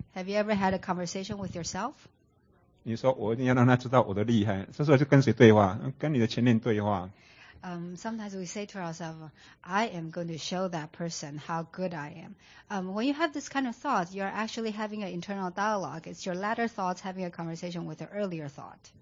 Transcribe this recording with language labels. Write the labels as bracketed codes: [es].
[en] Have you ever had a conversation with yourself? [zh] 你说我一定要让他知道我的厉害，这时候就跟谁对话？跟你的前任对话。 [en] Sometimes we say to ourselves, I am going to show that person how good I am. When you have this kind of thought, you're actually having an internal dialogue. It's your latter thoughts having a conversation with your earlier thought.